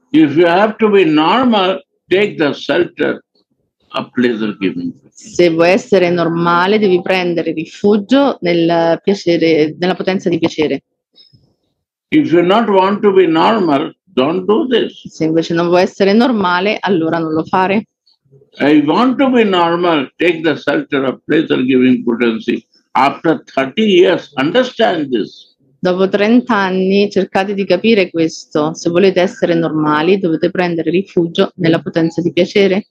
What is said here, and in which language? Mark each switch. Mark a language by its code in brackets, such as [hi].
[en] If you have to be normal, take the shelter of pleasure giving. [it] Se vuoi essere normale, devi prendere rifugio nel piacere, nella potenza di piacere. [en] If you not want to be normal, don't do this. [it] Se invece non vuoi essere normale, allora non lo fare. [en] I want to be normal, take the shelter of pleasure giving potency. After 30 years, understand this. [it] Dopo 30 anni cercate di capire questo. Se volete essere normali, dovete prendere rifugio nella potenza di piacere.